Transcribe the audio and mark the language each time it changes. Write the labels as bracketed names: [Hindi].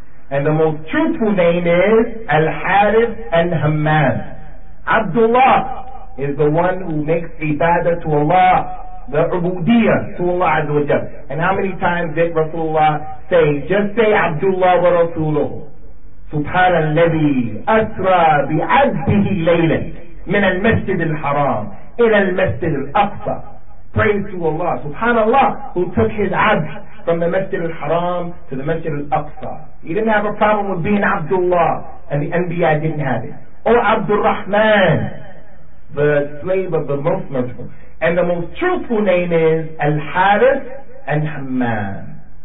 [English] And the most truthful name is Al-Harith and Hamman. Abdullah is the one who makes ibadah to Allah, the ubudiyah to Allah Azza wa Jalla. And how many times did Rasulullah say, just say Abdullah wa Rasuluhu? [Arabic] سبحان الذي أسرى بعبده ليلا من المسجد الحرام إلى المسجد الأقصى. [English] Praise to Allah. Subhanallah, who took his abd from the Masjid al-Haram to the Masjid al-Aqsa. He didn't have a problem with being Abdullah, and the Anbiya didn't have it. Or Abdul Rahman, the slave of the most merciful. And the most truthful name is Al-Harith al-Hammam.